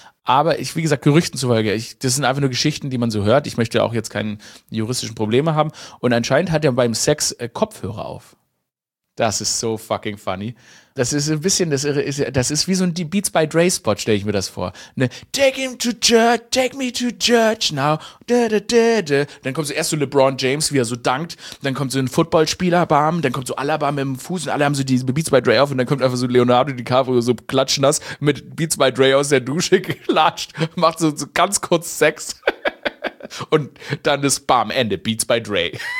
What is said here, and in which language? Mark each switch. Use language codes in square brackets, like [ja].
[de] Aber ich, wie gesagt, Gerüchten zufolge, das sind einfach nur Geschichten, die man so hört. Ich möchte auch jetzt keine juristischen Probleme haben. Und anscheinend hat er beim Sex Kopfhörer auf. Das ist so fucking funny. Das ist ein bisschen, das ist wie so ein Beats by Dre Spot, stelle ich mir das vor. Ne? [en] Take him to church, take me to church now. Da, da, da, da. [de] Dann kommt so erst so LeBron James, wie er so dankt. Dann kommt so ein Footballspieler-Bam. Dann kommt so Alaba mit dem Fuß und alle haben so die Beats by Dre auf. Und dann kommt einfach so Leonardo DiCaprio so klatschnass mit Beats by Dre aus der Dusche geklatscht. Macht so ganz kurz Sex. Und dann ist Bam, Ende, Beats by Dre.